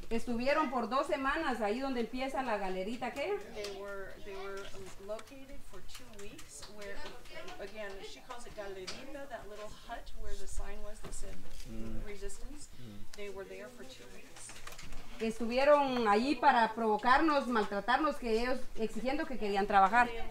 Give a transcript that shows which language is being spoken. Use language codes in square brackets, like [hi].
[es] Estuvieron por dos semanas ahí donde empieza la galerita, ¿qué? [en] They were located for 2 weeks where, again, she calls it galerita, that little hut where the sign was that said resistance. They were there for 2 weeks. [es] Estuvieron ahí para provocarnos, maltratarnos, que ellos exigiendo que querían trabajar.